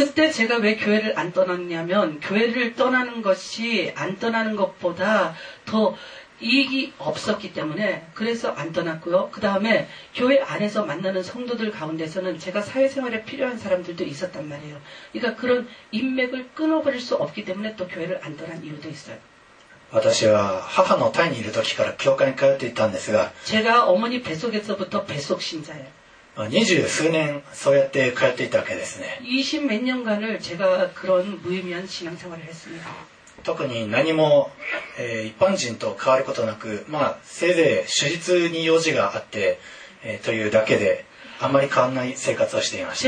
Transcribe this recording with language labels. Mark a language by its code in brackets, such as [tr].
[ko] 그때제가왜교회를안떠났냐면교회를떠나는것이안떠나는것보다더이익이없었기때문에그래서안떠났고요그다음에교회안에서만나는성도들가운데서는제가사회생활에필요한사람들도있었단말이에요그러니까그런인맥을끊어버릴수없기때문에또교회를안떠난이유도있어요 [ja] 私は母の胎にいる時から教会に通っていたんですが [ko] 제가어머니뱃속에서부터뱃속신자예요 [ja] 20数年そうやって通っていたわけですね [ko] 20몇년간을제가그런무의미한신앙생활을했습니다 [ja] 特に何も、一般人と変わることなく、まあ、せいぜい手術に用事があって、というだけであまり変わらない生活をしていました